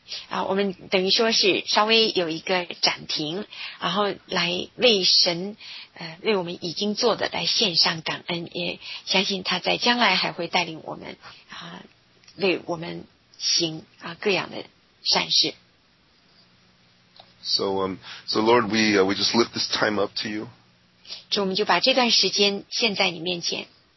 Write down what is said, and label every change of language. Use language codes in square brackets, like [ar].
[zh] 我们等于说是稍微有一个暂停，然后来为神为我们已经做的来献上感恩，也相信他在将来还会带领我们为我们行各样的善事。 [en] So Lord, we just lift this time up to you. [zh] 主，我们就把这段时间献在你面前。